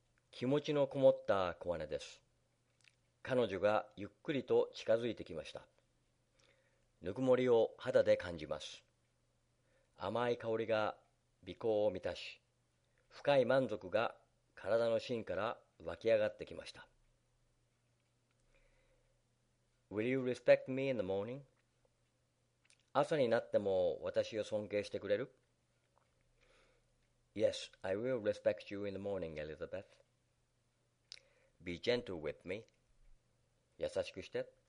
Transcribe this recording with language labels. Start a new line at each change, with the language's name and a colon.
Japanese: 気持ちのこもった小姉です。彼女がゆっくりと近づいてきました。ぬくもりを肌で感じます。甘い香りが鼻孔を満たし、深い満足が体の芯から湧き上がってきました。
English: Will you respect me in the morning?
Japanese: 朝になっても私を尊敬してくれる?
English: Yes, I will respect you in the morning, Elizabeth. Be gentle with me.
Japanese: 優しくして。